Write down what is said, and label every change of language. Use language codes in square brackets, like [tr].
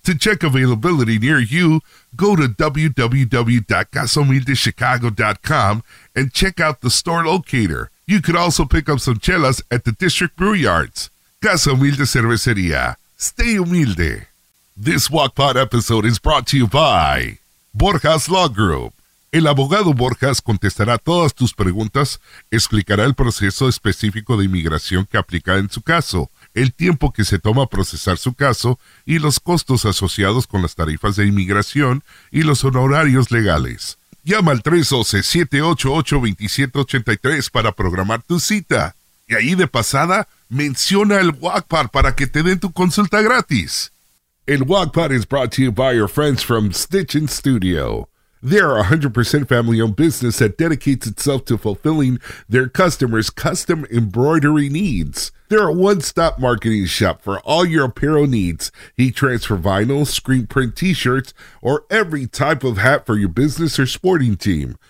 [en] To check availability near you, go to www.casahumildechicago.com and check out the store locator. You could also pick up some chelas at the District Brew Yards. Casa Humilde Cervecería. Stay humilde. This WattPod episode is brought to you by Borjas Law Group. [es] El abogado Borjas contestará todas tus preguntas, explicará el proceso específico de inmigración que aplica en su caso, el tiempo que se toma procesar su caso y los costos asociados con las tarifas de inmigración y los honorarios legales. Llama al 312-788-2783 para programar tu cita. Y ahí de pasada, menciona el WACPAR para que te den tu consulta gratis. [en] El WACPAR is brought to you by your friends from Stitch & Studio. They're a 100% family-owned business that dedicates itself to fulfilling their customers' custom embroidery needs. They're a one-stop marketing shop for all your apparel needs. Heat transfer vinyl, screen print t-shirts, or every type of hat for your business or sporting team.